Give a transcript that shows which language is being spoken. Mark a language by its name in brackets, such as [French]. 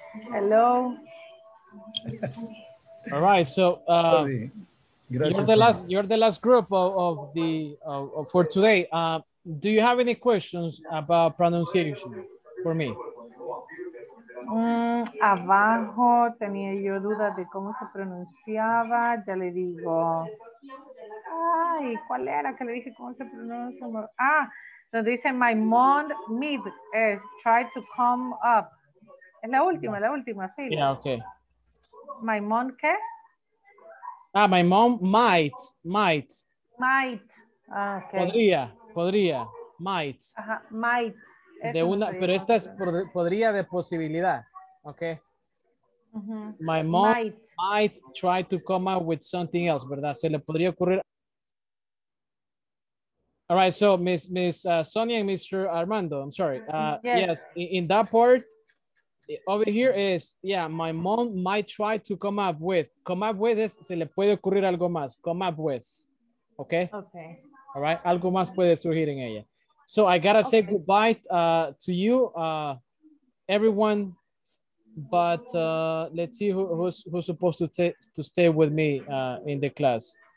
[English] Hello. All right. So you're the last group of for today. Do you have any questions about pronunciation for me? [Spanish] Abajo tenía yo dudas de cómo se pronunciaba, ya le digo. Ay, ¿cuál era que le dije cómo se pronuncia? Ah, donde dice [English] my mom mid is try to come up. [Spanish] Es la última, sí. [English] Yeah, okay. My mom qué? Ah, my mom might. Might. Ah, okay. [Spanish] Podría, might. [English] Ajá, might. [Spanish] De una, pero esta es podría de posibilidad, okay. Uh-huh. [English] My mom might try to come up with something else, ¿verdad? [Spanish] Se le podría ocurrir. [English] All right, so Miss Sonia and Mr. Armando, I'm sorry. Yes, in that part over here is, yeah, my mom might try to come up with. [Spanish] Come up with es, se le puede ocurrir algo más. Come up with, okay? [English] Okay. [Spanish] All right, algo más puede surgir en ella. [English] So I gotta say goodbye to you, everyone. But let's see who's supposed to stay with me in the class.